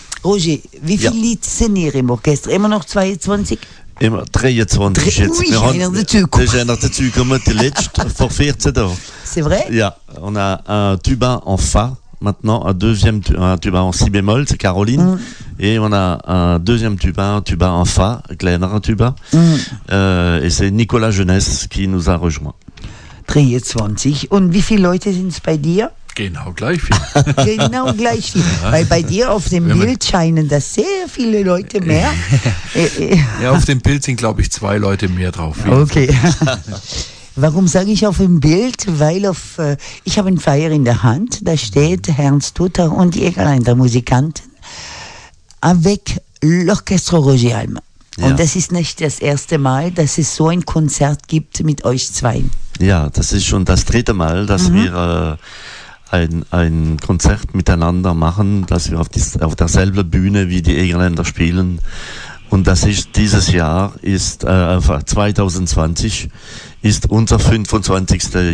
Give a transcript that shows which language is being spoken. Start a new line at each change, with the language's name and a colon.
German: Roger, wie viel Lied sind hier im Orchester? Immer noch 22? Immer 23 jetzt.
French: Oui,
German: Wir haben dazu gekommen, die letzte, vor 14 Jahren.
French: C'est vrai? Ja, on a un tuba en fa, maintenant un deuxième tuba en si bémol, c'est Caroline. Et on a un deuxième tuba, un tuba en fa, Glenn, un tuba. Et c'est Nicolas Jeunesse qui nous a rejoint. 23.
German: Und wie viele Leute sind es bei dir? Genau gleich viel. Genau gleich viel. Weil bei dir auf dem Bild scheinen da sehr viele Leute mehr. Ja, auf dem Bild sind, glaube ich, 2 Leute mehr drauf. Okay. Warum sage ich auf dem Bild? Weil ich habe einen Flyer in der Hand. Da steht Ernst Tutor und die Egerländer Musikanten.
French: Avec l'Orchestre Roger Alm.
German: Und ja, das ist nicht das erste Mal, dass es so ein Konzert gibt mit euch zwei. Ja, das ist schon das dritte Mal, dass wir ein Konzert miteinander machen, dass wir auf derselben Bühne wie die Egerländer spielen. Und das ist dieses Jahr, ist 2020, ist unser 25.